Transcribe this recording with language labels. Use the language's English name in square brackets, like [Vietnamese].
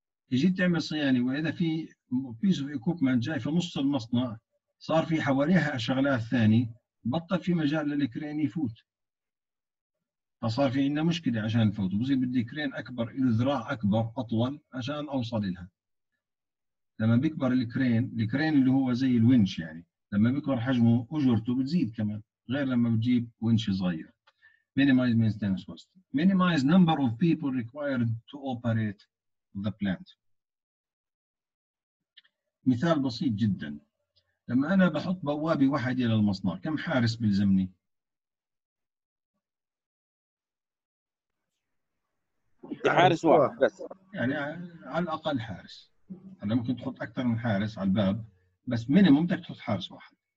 [Arabic] يجي تعمل صيانه واذا في بيس اوف ايكوبمنت جاي في نص المصنع صار في حواليها شغلات ثانيه، بطل في مجال للكرين يفوت، فصار في عندنا مشكلة عشان نفوت، بصير بدي كرين أكبر، إله ذراع أكبر أطول عشان أوصل لها. لما بيكبر الكرين اللي هو زي الونش يعني، لما بيكبر حجمه أجرته بتزيد كمان، غير لما بتجيب ونش صغير. [English] Minimize maintenance cost. Minimize number of people required to operate the plant. [Arabic] مثال بسيط جداً. لما انا بحط بوابه واحده للمصنع كم حارس بيلزمني؟ حارس واحد بس، يعني على الاقل حارس. هلا ممكن تحط اكثر من حارس على الباب، بس مينيمم بدك تحط حارس واحد.